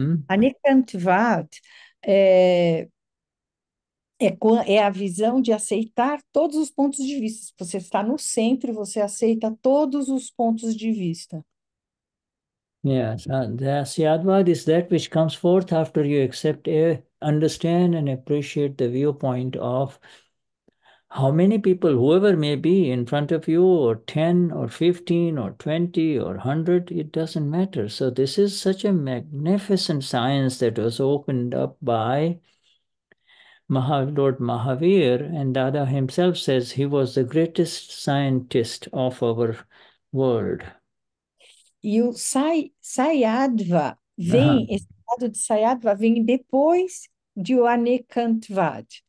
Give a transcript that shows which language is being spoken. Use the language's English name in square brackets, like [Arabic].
[Portuguese] Anekantvad é a visão de aceitar todos os pontos de vista. Você está no centro, você aceita todos os pontos de vista. [English] Yes, the Advaita is that which comes forth after you accept, understand, and appreciate the viewpoint of how many people, whoever may be in front of you, or 10 or 15 or 20 or 100, it doesn't matter. So, this is such a magnificent science that was opened up by Lord Mahavir, and Dada himself says he was the greatest scientist of our world. [Portuguese] E o Sayadva vem, esse estado de Sayadva vem depois de o Anekantvad.